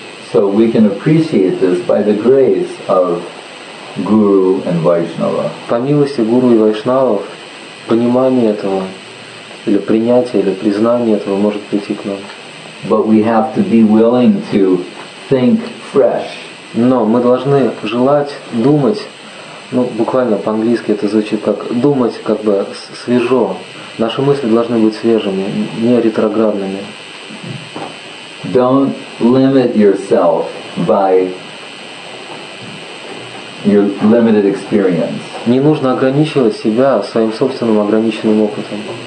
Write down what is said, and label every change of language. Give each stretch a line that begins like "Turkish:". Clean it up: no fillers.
English: So we can appreciate this by the grace of Guru and Vaishnava.
Russian: По милости Гуру и Вайшнавов, понимание этого или принятие или признание этого может прийти к нам.
English: But we have to be willing to think fresh.
Russian: Но мы должны желать думать, ну буквально по-английски это звучит как думать как бы свежо. Наши мысли должны быть свежими, не ретроградными.
English: Don't limit yourself by your limited experience.
Russian: Не нужно ограничивать себя своим собственным ограниченным опытом.